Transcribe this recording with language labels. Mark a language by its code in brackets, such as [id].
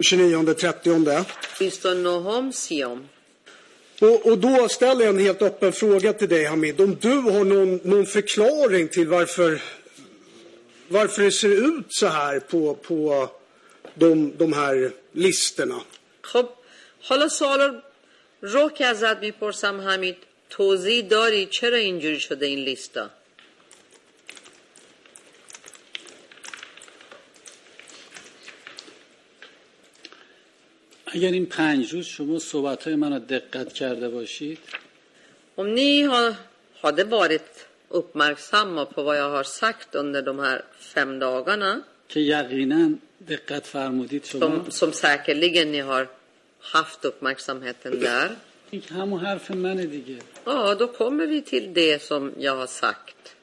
[sv] 29, 30. 29, 30. Och då ställer jag en helt öppen fråga till dig, Hamid. Om du har någon förklaring till varför det ser ut så här på de här listorna. [fa] خب حالا سوال رو که ازت میپرسم حمید توضیح داری چرا اینجوری شده این لیستا؟ اگر این پنج روز شما صحبت‌های منو دقت کرده باشید [sv] om ni hade varit uppmärksamma på vad jag har sagt under de här fem dagarna [fa] که یقیناً دقت فرمودید شما [sv] som säkerligen ni har haft uppmärksamheten där. Han har för män i dig. Ja, då kommer vi till det som jag har sagt.